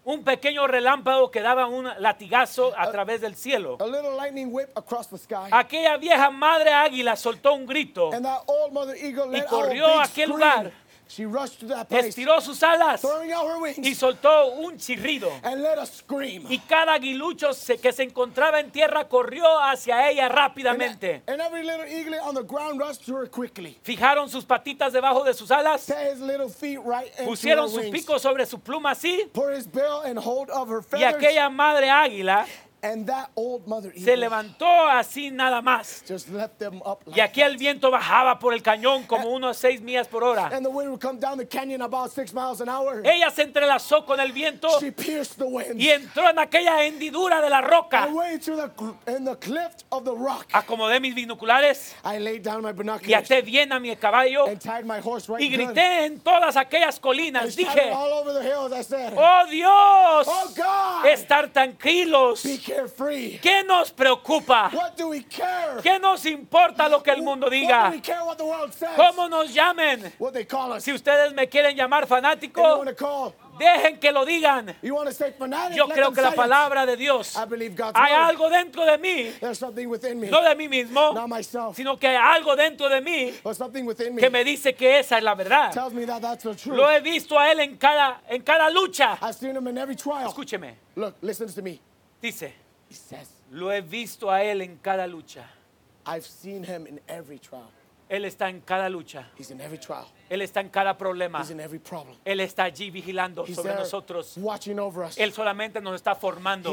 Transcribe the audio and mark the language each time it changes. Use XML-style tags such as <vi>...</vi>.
<es>Un pequeño relámpago que daba un latigazo a través del cielo.</es> <en>A little lightning whip across the sky.</en> <es>Aquella vieja madre águila soltó un grito.</es> <en>And that old mother eagle</en> <es>y corrió a aquel</es> <en>scream</en> <es>lugar.</es> <en>She rushed to that place,</en> <es>estiró sus alas</es> <en>throwing out her wings,</en> <es>y soltó un chirrido.</es> <en>And let a scream.</en> <es>Y cada aguilucho que se encontraba en tierra corrió hacia ella rápidamente.</es> <en>And every little eagle on the ground rushed to her quickly.</en> <es>Fijaron sus patitas debajo de sus alas.</es> <en>Set his little feet right into</en> <es>pusieron</es> <en>her wings,</en> <es>su pico sobre su pluma así.</es> <en>Put his bill and hold of her feathers.</en> <es>Y aquella madre águila,</es> <en>and that old mother eagle,</en> <es>se levantó así nada más.</es> <en>Just left them up like</en> <es>y aquí el viento bajaba por el cañón como unos 6 millas por hora.</es> <en>And the wind would come down the canyon about 6 miles an hour.</en> <es>Ella se entrelazó con el viento.</es> <en>She pierced the wind.</en> <es>Y entró en aquella hendidura de la roca.</es> <en>I went into the cliff of the rock.</en> <es>Acomodé mis binoculares.</es> <en>I laid down my binoculars.</en> <es>Y até bien a mi caballo.</es> <en>And tied my horse right</en> <es>y grité</es> <en>good</en> <es>en todas aquellas colinas.</es> <en>And</en> <es>dije,</es> <en>all over the hills, I said,</en> <es>oh Dios.</es> <en>Oh God.</en> <es>Estar tranquilos.</es> <en>Carefree.</en> <es>¿Qué nos preocupa?</es> <en>What do we care?</en> <es>¿Qué nos importa lo que el mundo diga?</es> <en>What do we care what the world says?</en> <es>¿Cómo nos llamen?</es> <en>What they call us.</en> <es>Si ustedes me quieren llamar fanático, dejen que lo digan.</es> <en>You want to say fanatic?</en> <es>Yo creo que la palabra de Dios,</es> <en>I believe God's</en> <es>hay</es> <en>word,</en> <es>algo dentro de mí,</es> <en>there's something within me,</en> <es>no de mí mismo,</es> <en>not myself,</en> <es>sino que hay algo dentro de mí,</es> <en>but something within me,</en> <es>que me dice que esa es la verdad.</es> <en>Tells me that that's the truth.</en> <es>Lo he visto a él en cada lucha.</es> <en>I've seen him in every trial.</en> <es>Escúcheme.</es> <en>Look, listen to me.</en> <es>Dice,</es> <en>he says,</en> <es>Lo he visto a él en cada lucha.</es> <en>I've seen him in every trial.</en> <es>Él está en cada lucha.</es> <en>He's in every trial.</en> <es>Él está en cada problema.</es> <en>He's in every problem.</en> <es>Él está allí vigilando</es> <en>He's</en> <es>sobre nosotros.</es> <en>Watching over us.</en> <es>Él solamente nos está formando.</es>